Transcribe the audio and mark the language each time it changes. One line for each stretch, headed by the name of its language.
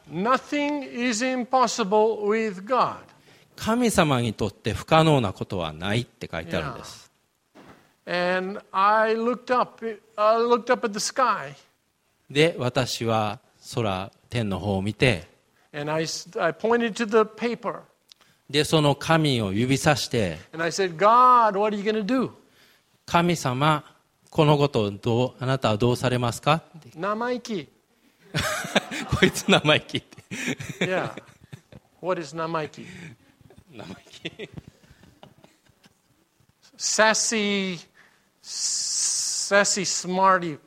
English: Nothing is impossible with God.
Japanese: 神様にとって不可能なことはないって書いてあるんです。
English: And I looked up at the sky.
Japanese: で、私は空、天の方を見て。
English: And I pointed to the paper.
Japanese: で、その紙を指さして。
English: And I said, God, what are you going to do?
Japanese: 神様、このことをどう、あなたはどうされますか？生意気。こいつ生意気って。
English: Yeah. What is 生意気？
Japanese: 生意気。
English: Sassy smarty.